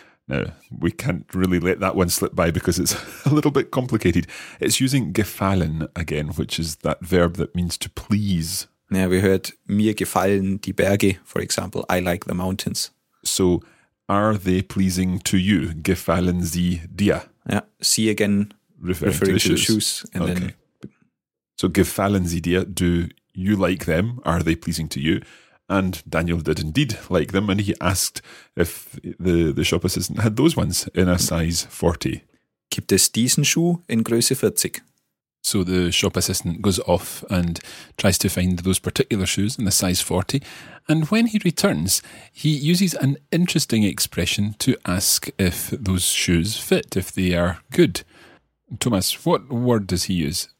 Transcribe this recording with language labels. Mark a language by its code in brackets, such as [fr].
[en] Now, we can't really let that one slip by because it's a little bit complicated. It's using gefallen again, which is that verb that means to please. Yeah, we heard [de] mir gefallen die Berge, [en] for example. I like the mountains. So, are they pleasing to you? [de] Gefallen sie dir? [en] Yeah, sie again, referring to the shoes. Okay. So, [de] gefallen sie dir? [en] Do you like them? Are they pleasing to you? And Daniel did indeed like them, and he asked if the shop assistant had those ones in a size 40. [de] Gibt es diesen Schuh in Größe 40? [en] So the shop assistant goes off and tries to find those particular shoes in a size 40. And when he returns, he uses an interesting expression to ask if those shoes fit, if they are good. Thomas, what word does he use?